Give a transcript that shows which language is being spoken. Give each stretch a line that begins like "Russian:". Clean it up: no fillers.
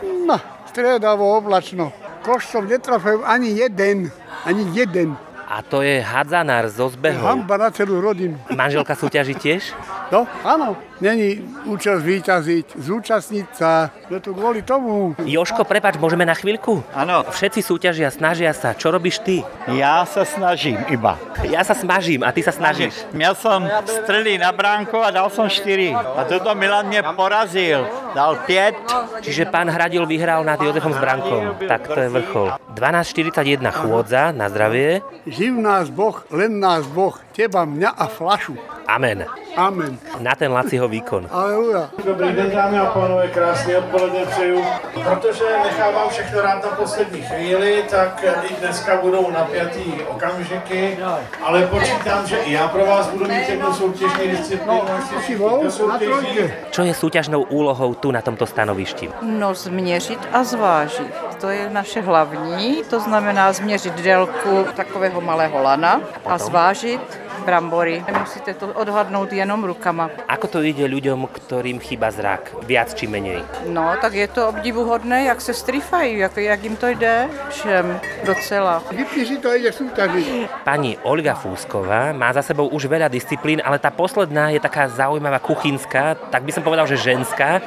Slovak: No, striedavo, oblačno. Koš som netrafil ani jeden, ani jeden. A to je hadzanár zo zbehu. Hamba na celú rodinu. Manželka súťaží tiež? No, áno. Není účasť víťaziť, zúčastniť sa, je tu kvôli tomu. Joško, prepáč, môžeme na chvíľku? Áno. Všetci súťažia, snažia sa. Čo robíš ty? Ja sa snažím iba. Ja sa smažím a ty sa snažíš. Ja som strelil na bránku a dal som 4. A toto Milan mne porazil. Dal 5. Čiže pán Hradil vyhral nad Jozefom s bránkom. Tak to je vrchol. 12.41 chôdza, na zdravie. Živ nás Boh, len nás Boh, teba, mňa a flašu. Amen. Amen. Na ten Laciho výkon. Aleluja.
Czech: Dobrý deň, dámy a pánové, krásne odpoledne přeju. Protože nechávam všechno rád na poslední chvíli, tak i dneska budou napjatý okamžiky, ale počítam, že i já pro vás budu mít jednu soutěžní disciplínu. No,
Slovak: čo je súťažnou úlohou tu na tomto stanovišti?
Czech: No, změřit a zvážit. To je naše hlavní, to znamená změřit délku takového malého lana a zvážit brambory. Musíte to odhadnúť jenom rukama.
Slovak: Ako to ide ľuďom, ktorým chýba zrak? Viac či menej? No, tak je to obdivuhodné, jak se strifajú, jak im to ide.
Czech: Všem docela.
Slovak: Vypíši to, ide súťažiť. Pani Olga Fúsková má za sebou už veľa disciplín, ale tá posledná je taká zaujímavá kuchynská, tak by som povedal, že ženská.